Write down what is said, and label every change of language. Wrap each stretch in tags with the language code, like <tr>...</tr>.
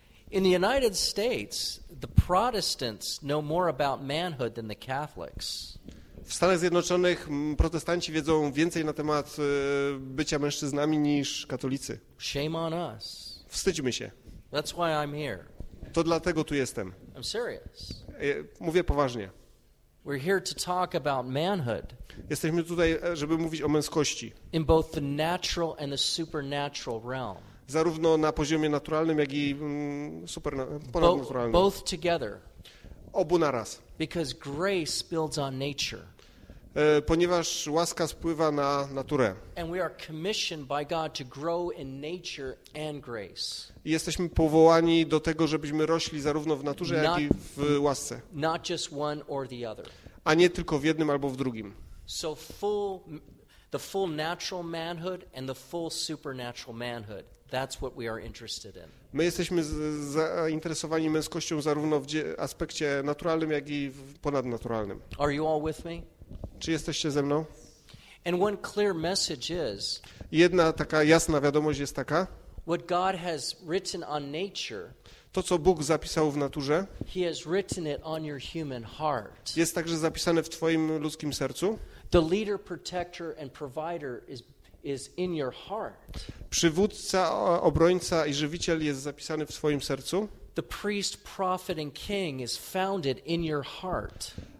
<en>In the United States, the Protestants know more about manhood than the Catholics.</en> <pl>W Stanach Zjednoczonych protestanci wiedzą więcej na temat bycia mężczyznami niż katolicy.</pl> <en>Shame on us.</en> <pl>Wstydźmy się.</pl> <en>That's why I'm here.</en> <pl>To dlatego tu jestem.</pl> <en>I'm serious.</en> <pl>Mówię poważnie.</pl> <en>We're here to talk about manhood.</en> <pl>Jesteśmy tutaj, żeby mówić o męskości.</pl> <en>In both the natural and the supernatural realm.</en> <pl>Zarówno na poziomie naturalnym, jak i ponadnaturalnym.</pl> <en>Both together.</en> <pl>Obu naraz.</pl> <en>Because grace builds on nature.</en> <pl>Ponieważ łaska spływa na naturę.</pl> <en>And we are commissioned by God to grow in nature and grace.</en> <pl>Jesteśmy powołani do tego, żebyśmy rośli zarówno w naturze, jak i w łasce.</pl> <en>Not just one or the other.</en> <pl>A nie tylko w jednym albo w drugim.</pl> <en>So the full natural manhood and the full supernatural manhood. That's what we are interested in.</en> <pl>My jesteśmy zainteresowani męskością zarówno w aspekcie naturalnym, jak i w ponadnaturalnym.</pl> <en>Are you all with me?</en> <pl>Czy jesteście ze mną?</pl> <en>And one clear message is,</en> <pl>jedna taka jasna wiadomość jest taka,</pl> <en>what God has written on nature,</en> <pl>to, co Bóg zapisał w naturze,</pl> <en>he has written it on your human heart.</en> <pl>Jest także zapisane w twoim ludzkim sercu.</pl> <en>The leader, protector and provider is in your heart.</en> <pl>Przywódca, obrońca i żywiciel jest zapisany w twoim sercu.</pl> <en>The priest, prophet and king is founded in your heart.</en>